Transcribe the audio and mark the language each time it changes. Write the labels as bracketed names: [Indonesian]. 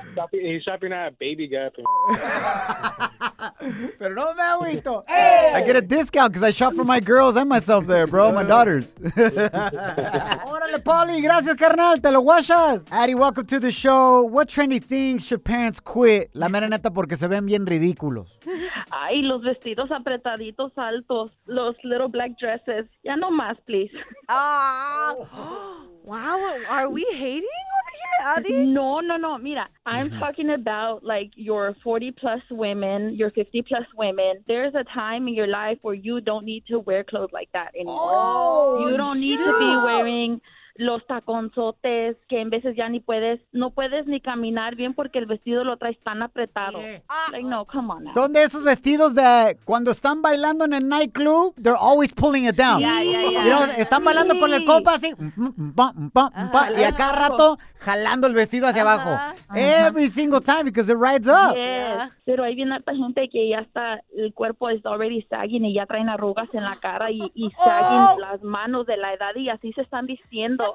[English] He's shopping at a Baby Gap. [Spanish] Pero no me aguito. [English] I get a discount because I shop for my girls and myself there, bro. My daughters. [Spanish] Órale, Polly. Gracias, carnal. Te lo guachas. [English] Addy, welcome to the show. What trendy things should parents quit? [Spanish] La mera neta, porque se ven bien ridículos. Ay, los vestidos apretaditos altos. Los [English] little black dresses. [Spanish] Ya no más, please. [English] Wow, are we hating over here, Adi? No. Mira, I'm talking about like your 40 plus women, your 50 plus women. There's a time in your life where you don't need to wear clothes like that anymore. Oh, you don't need to be wearing [Spanish] los taconzotes, que en veces ya ni puedes, no puedes ni caminar bien porque el vestido lo traes tan apretado. [English] Like, no, come on. [Spanish] Son de esos vestidos that cuando están bailando en el nightclub, [English] they're always pulling it down. Yeah. You know, [Spanish] están bailando con el compa así, y a cada rato jalando el vestido hacia abajo. [English] Every single time because it rides up. Yeah. [Spanish] Pero hay bien harta gente que ya está, el cuerpo está already sagging y ya traen arrugas en la cara y sagging las manos de la edad y así se están vistiendo.